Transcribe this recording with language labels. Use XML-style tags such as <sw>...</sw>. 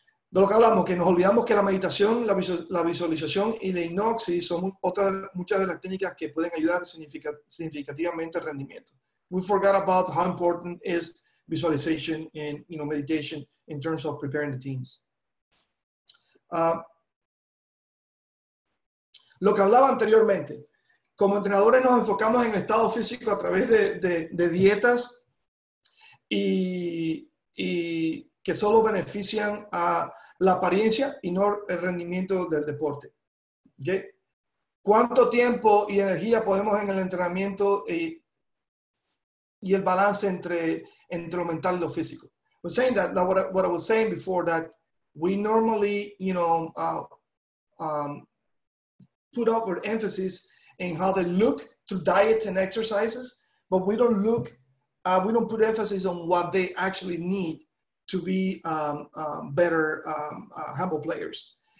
<es>De lo que hablamos, que nos olvidamos que la meditación, la visualización y la hipnosis son otras muchas de las técnicas que pueden ayudar significativamente al rendimiento.</es> <en>We forgot about how important is visualization and, you know, meditation in terms of preparing the teams.</en> <es>Lo que hablaba anteriormente, como entrenadores nos enfocamos en el estado físico a través de dietas y que solo benefician a la apariencia y no el rendimiento del deporte. ¿Okay? ¿Cuánto tiempo y energía podemos en el entrenamiento y el balance entre lo mental y lo físico?</es> <en>We're saying that, what I was saying before, that we normally, you know, put up our emphasis in how they look through diet and exercises, but we don't look, we don't put emphasis on what they actually need to be better handball players.</en>